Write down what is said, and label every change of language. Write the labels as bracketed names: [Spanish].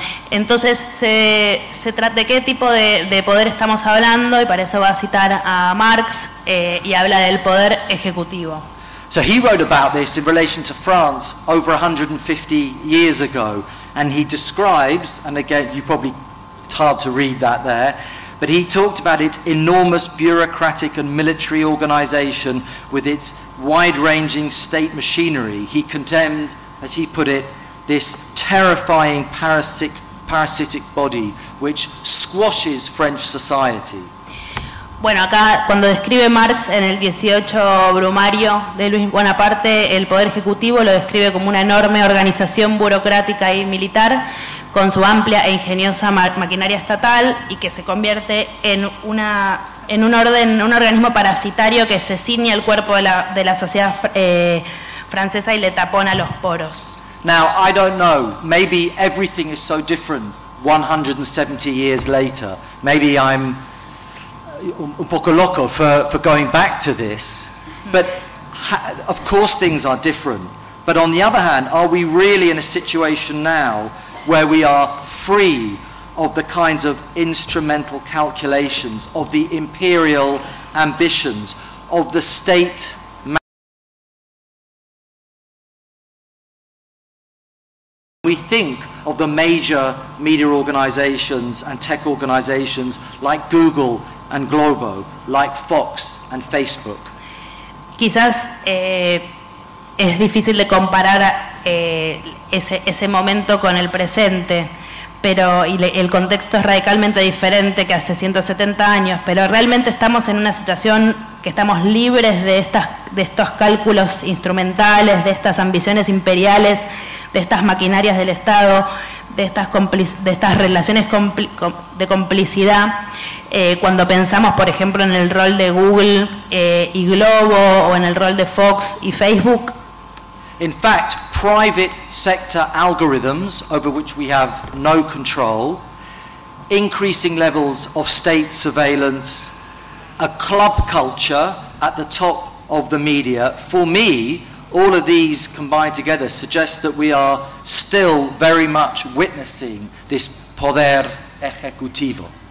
[Spanish] Entonces se trata de qué tipo de poder estamos hablando, y para eso va a citar a Marx, y habla del poder ejecutivo. [English] So he wrote about this in relation to France over 150 years ago, and he describes, and again, you probably, it's hard to read that there, but he talked about its enormous bureaucratic and military organization with its wide-ranging state machinery. He condemned, as he put it, this terrifying parasitic body which squashes French society. [Spanish] Bueno, acá cuando describe Marx en el 18 Brumario de Luis Bonaparte, el poder ejecutivo lo describe como una enorme organización burocrática y militar con su amplia e ingeniosa maquinaria estatal, y que se convierte en un organismo parasitario que se ciñe al cuerpo de la sociedad francesa y le tapona los poros. [English] Now, I don't know. Maybe everything is so different 170 years later. Maybe I'm [Spanish] un poco loco [English] for going back to this. But of course things are different. But on the other hand, are we really in a situation now where we are free of the kinds of instrumental calculations, of the imperial ambitions, of the state? We think of the major media organizations and tech organizations like Google and Globo, like Fox and Facebook. [Spanish] Quizás es difícil de comparar ese momento con el presente, pero el contexto es radicalmente diferente que hace 170 años, pero realmente estamos en una situación que estamos libres de estos cálculos instrumentales, de estas ambiciones imperiales, de estas maquinarias del Estado, de estas relaciones de complicidad. Cuando pensamos, por ejemplo, en el rol de Google y Globo, o en el rol de Fox y Facebook. [English] In fact, private sector algorithms over which we have no control, increasing levels of state surveillance, a club culture at the top of the media. For me, all of these combined together suggest that we are still very much witnessing this [Spanish] poder ejecutivo.